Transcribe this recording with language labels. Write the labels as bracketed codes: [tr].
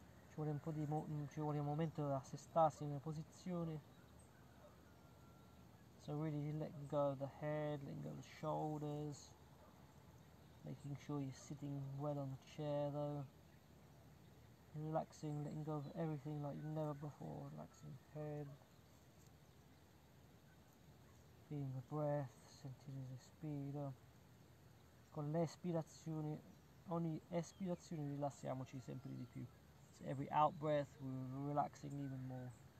[it] Ci vuole un momento di assestarsi in una posizione. [en] So really let go of the head, let go of the shoulders, making sure you're sitting well on the chair though. Relaxing, letting go of everything like never before, relaxing the head, feeling the breath, [it] sentire il respiro, con l'espirazione, ogni espirazione rilassiamoci sempre di più. [en] So every out breath we're relaxing even more.